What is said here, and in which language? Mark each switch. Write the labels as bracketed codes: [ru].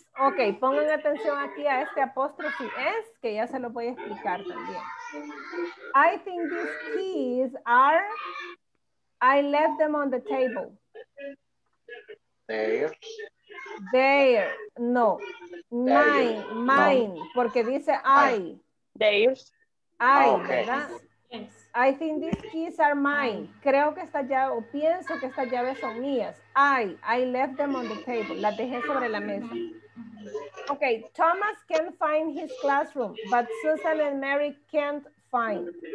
[es] Ok, pongan atención aquí a este apóstrofe S, que ya se lo voy a explicar también. [en] I think these keys are, I left them on the table. Theirs. [es] No. Mine. Porque dice I. [en] Theirs. ¿Verdad? I think these keys are mine. [es] Creo que esta llave, o pienso que estas llaves son mías. [en] I left them on the table. [es] Las dejé sobre la mesa. [en] Okay, Thomas can find his classroom, but Susan and Mary can't find.